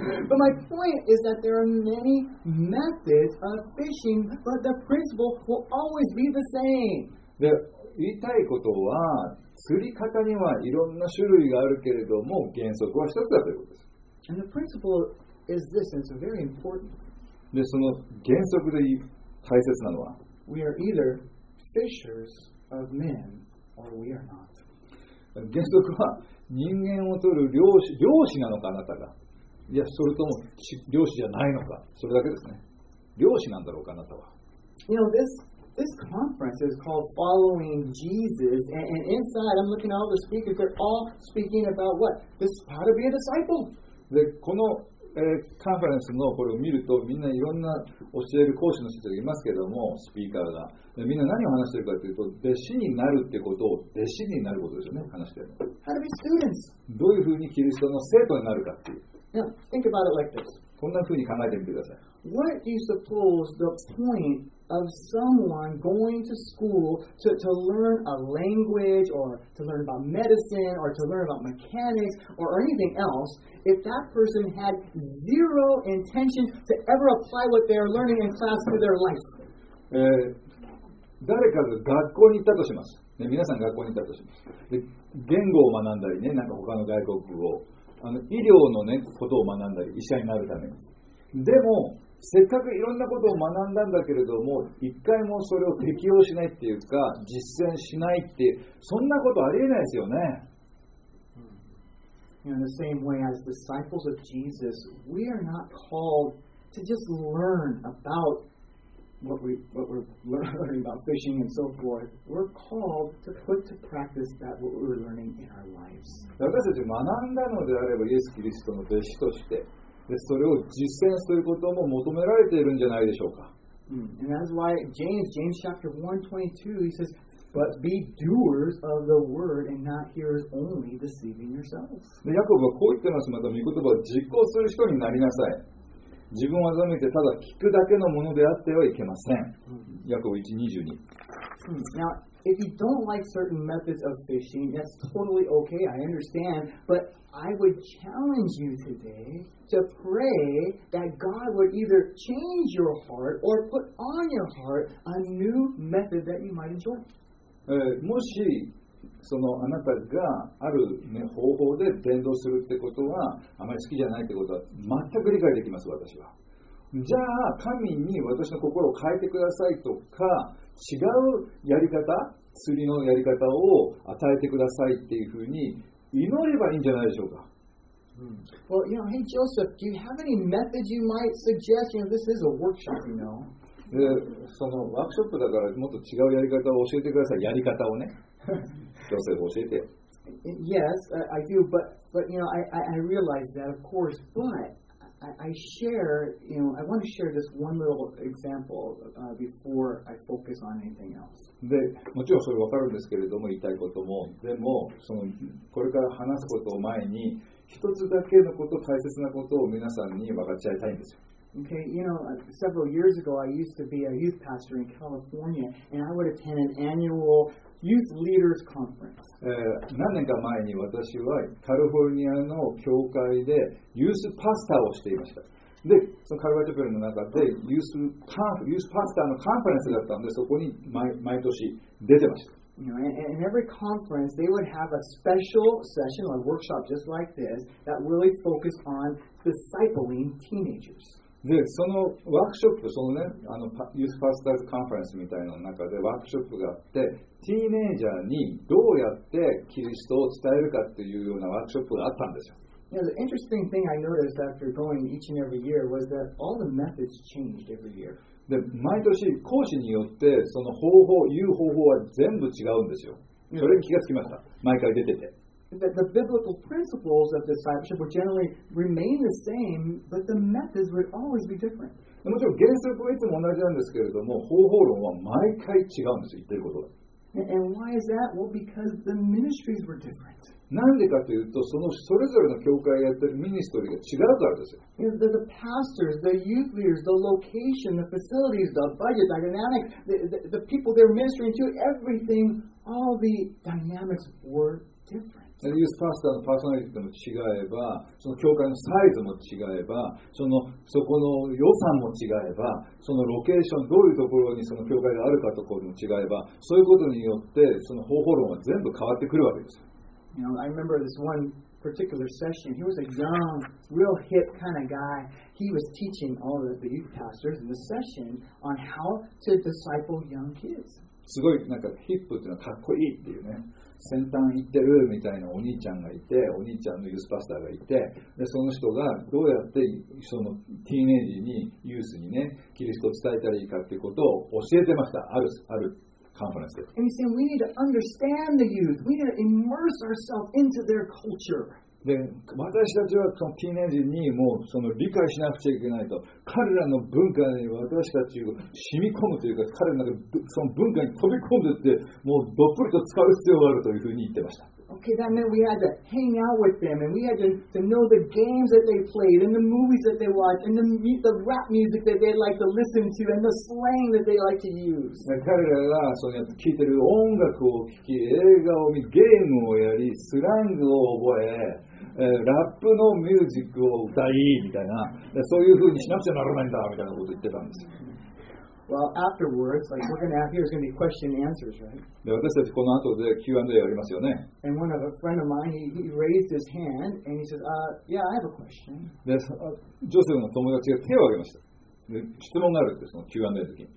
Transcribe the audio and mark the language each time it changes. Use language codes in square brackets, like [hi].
[en] But my point is that there are many methods of fishing, but the principle will always be the same. [ja] で、言いたいことは、釣り方にはいろんな種類があるけれども、原則は一つだということです。 [en] And the principle is this, and it's very important. [ja] で、その原則で大切なのは、 [en] We are either fishers of men, or we are not. [ja] 原則は人間を取る漁師なのか、あなたが。いや、それとも漁師じゃないのか。それだけですね。漁師なんだろうか、あなたは。 [en] You know, this conference is called Following Jesus, and inside I'm looking at all the speakers, they're all speaking about what? This is how to be a disciple. [ja] でこの、カンファレンスのこれを見るとみんないろんな教える講師の人がいますけどもスピーカーがでみんな何を話しているかというと弟子になるってことを弟子になることですよね話してるの [en] How to be students. [ja] どういうふうにキリストの生徒になるかっていう [en] Now, think about it like this. [ja] こんなふうに考えてみてください [en] What do you suppose the point of someone going to school to learn a language or to learn about medicine or to learn about mechanics or anything else if that person had zero intention to ever apply what they are learning in class to their life? [ja] 誰かが学校に行ったとします。ね、皆さん学校に行ったとします。で、言語を学んだりね、なんか他の外国語を、あの医療のね、ことを学んだり、医者になるために。でも、せっかくいろんなことを学んだんだけれども、一回もそれを適用しないっていうか、実践しないっていう、そんなことありえないですよね。 [en] In the same way as disciples of Jesus, we are not called to just learn about what we're learning about fishing and so forth. We're called to put to practice that what we're learning in our lives. [ja] 私たち学んだのであれば、イエス・キリストの弟子として、でそれを実践することも求められているんじゃないでしょうか。 [en] And that's why James chapter 1:22, he says, But be doers of the word and not hearers only, deceiving yourselves. [ja] で、ヤコブはこう言ってます。また御言葉を実行する人になりなさい。自分を欺いてただ聞くだけのものであってはいけません。ヤコブ 1:22。 [en] Now, if you don't like certain methods of fishing, that's totally okay, I understand, but I would challenge you today to pray that God would either change your heart or put on your heart a new method that you might enjoy. [ja] もしそのあなたがある、ね、方法で伝道するってことはあまり好きじゃないってことは全く理解できます。私はじゃあ神に私の心を変えてくださいとか違うやり方釣りのやり方を与えてくださいっていうふうに祈ればいいんじゃないでしょうか。 [en] Well, you know, hey Joseph, do you have any methods you might suggest? You know, this is a workshop, you know. [ja] そのワークショップだからもっと違うやり方を教えてください。やり方をね。Joseph, 教えて。 [en] Yes, I do, but you know, I realize that, of course, but I share, you know, I want to share this one little example before I focus on anything else. [ja] で、もちろんそれわかるんですけれども、言いたいことも、でも、そのこれから話すことを前に、一つだけのこと、大切なことを皆さんに分かち合いたいんですよ。 [en] Okay, you know, several years ago, I used to be a youth pastor in California, and I would attend an annual youth leaders conference. [ja] 何年か前に私はカリフォルニアの教会でユースパスターをしていました。で、そのカルバチャペルの中でユースパスターのカンファレンスだったので、そこに毎年出てました。 [en] You know, and every conference, they would have a special session or workshop just like this that really focused on discipling teenagers. [ja] で、そのワークショップ、そのね、あの、ユースパスターズカンファレンスみたいな中でワークショップがあって、ティーネイジャーにどうやってキリストを伝えるかっていうようなワークショップがあったんですよ。 [en] You know, the interesting thing I noticed after going each and every year was that all the methods changed every year. [ja] で毎年講師によってその方法言う方法は全部違うんですよ。それに気がつきました。毎回出てて。 [en] The biblical principles of discipleship would generally remain the same, but the methods would always be different. [ja] もちろん原則はいつも同じなんですけれども、方法論は毎回違うんですよ。言ってることは。 [en] And why is that? Well, because the ministries were different. [ja] なんでかというと、そのそれぞれの教会やってるミニストリーが違うからですよ。 [en] The pastors, the youth leaders, the location, the facilities, the budget, the dynamics, the people they're ministering to, everything, all the dynamics were different. [ja] ユースパスターのパーソナリティも違えば、その教会のサイズも違えば、そこの予算も違えば、そのロケーション、どういうところにその教会があるかところも違えば、そういうことによって、その方法論は全部変わってくるわけです。 [en] You know, I remember this one particular session. He was a young, real hip kind of guy. He was teaching all of the youth pastors in the session on how to disciple young kids. [ja] すごいなんかヒップっていうのはかっこいいっていうね。先端行ってるみたいなお兄ちゃんがいて、お兄ちゃんのユースパスターがいて、でその人がどうやってそのティーネージにユースにね、キリストを伝えたらいいかっていうことを教えてました。ある。 [en] And he's saying we need to understand the youth. We need to immerse ourselves into their culture. [ja] で、私たちはそのティーネージにもうその理解しなくちゃいけないと、彼らの文化に私たちを染み込むというか、彼らのその文化に飛び込んでって、もうどっぷりと使う必要があるというふうに言ってました。 [en] Okay, that meant we had to hang out with them, and we had to know the games that they played, and the movies that they watched, and the rap music that they liked to listen to, and the slang that they liked to use. [ja] 彼らがそのやつ聞いてる音楽を聞き、映画を見、ゲームをやり、スラングを覚え、ラップのミュージックを歌いみたいな、そういう風にしなくちゃならないんだみたいなこと言ってたんですよ。 [en] Well, afterwards, like we're going to have here is going to be question and answers, right? [ja] で、私たちこの後で Q&A やりますよね。 [en] And one of a friend of mine, he raised his hand and he said, yeah, I have a question. [ja] で、ジョセフの友達が手を挙げました。で、質問があるって、その Q&A の時に。